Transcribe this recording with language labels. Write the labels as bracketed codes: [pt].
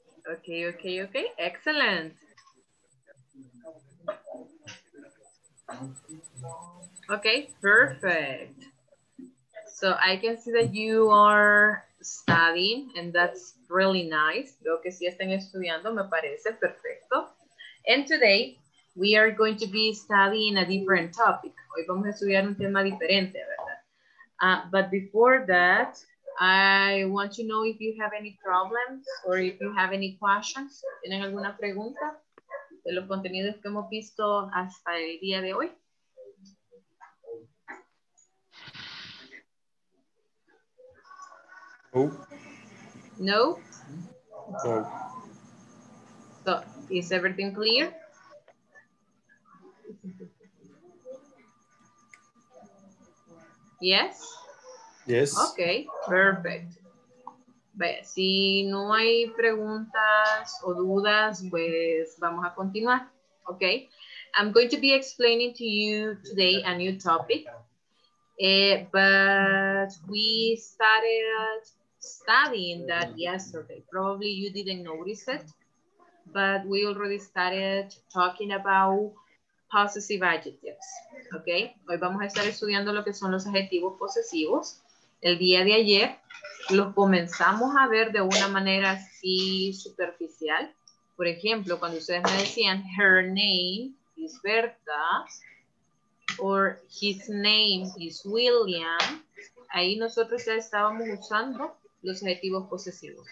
[en] Okay, okay, okay. Excellent. Okay, perfect. So I can see that you are studying and that's really nice. [es] Veo que sí están estudiando, me parece perfecto. [en] And today we are going to be studying a different topic. [es] Hoy vamos a estudiar un tema diferente, ¿verdad? [en] But before that, I want to know if you have any problems or if you have any questions. [es] ¿Tienen alguna pregunta de los contenidos que hemos visto hasta el día de hoy? No. No? No. [en] So, is everything clear? Yes? Yes. Okay, perfect. [es] Vaya, si no hay preguntas o dudas, pues vamos a continuar. [en] Okay. I'm going to be explaining to you today a new topic. But we started studying that yesterday. Probably you didn't notice it, but we already started talking about possessive adjectives. [es] Okay, hoy vamos a estar estudiando lo que son los adjetivos posesivos. El día de ayer los comenzamos a ver de una manera así superficial. Por ejemplo, cuando ustedes me decían [en] her name is Berta or his name is William, [es] ahí nosotros ya estábamos usando los adjetivos posesivos.